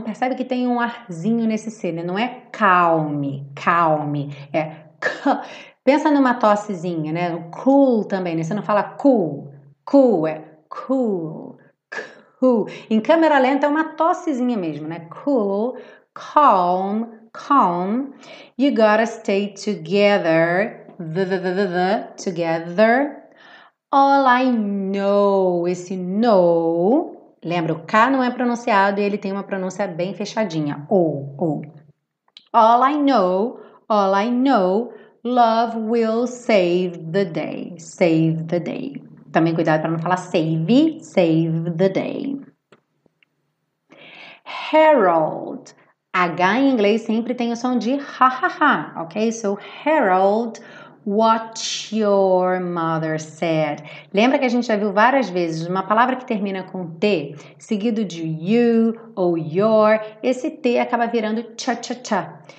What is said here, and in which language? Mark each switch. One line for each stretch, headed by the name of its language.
Portuguese: Percebe que tem um arzinho nesse C, né? Não é calme. Calme. É calm. Pensa numa tossezinha, né? O cool também, né? Você não fala cool. Cool é cool. Cool. Em câmera lenta é uma tossezinha mesmo, né?
English: Cool, calm, calm. You gotta stay together. Together. All I know.
Portuguese: Esse no. Lembra, o K não é pronunciado e ele tem uma pronúncia bem fechadinha.
English: O. All I know. All I know. Love will save the day. Save the day.
Portuguese: Também cuidado para não falar save,
English: save the day.
Portuguese: Harold. H em inglês sempre tem o som de ha-ha-ha, ok?
English: So, Harold, what your mother said.
Portuguese: Lembra que a gente já viu várias vezes uma palavra que termina com T, seguido de you ou your, esse T acaba virando cha-cha-cha.